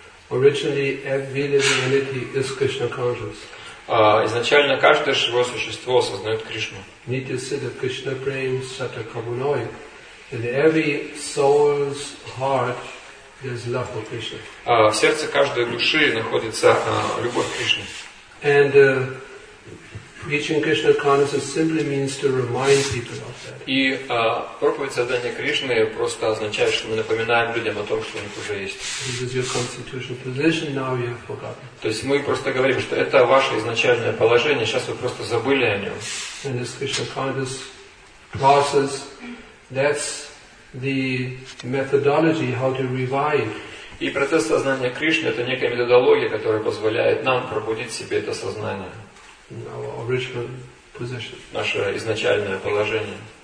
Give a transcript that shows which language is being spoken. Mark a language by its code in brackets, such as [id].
[en] Originally, every living entity is Krishna conscious. [ru] Изначально каждое живое существо осознает Кришну. [bn] Nityasiddha Krishna Prema Sata Kabunoi. [en] In every soul's heart, there's love for Krishna. [ru] В сердце каждой души находится любовь к Кришне. [en] And preaching Krishna consciousness simply means to remind people of that. [ru] И проповедь сознания Кришны просто означает, что мы напоминаем людям о том, что у них уже есть. [en] This is your constitutional position, now you have forgotten. [ru] То есть мы просто говорим, что это ваше изначальное положение, сейчас вы просто забыли о нем. [en] And this Krishna consciousness process, that's the methodology how to revive. [ru] И процесс сознания Кришны — это некая методология, которая позволяет нам пробудить в себе это сознание. [en] Our original position. [ru] Наше изначальное положение.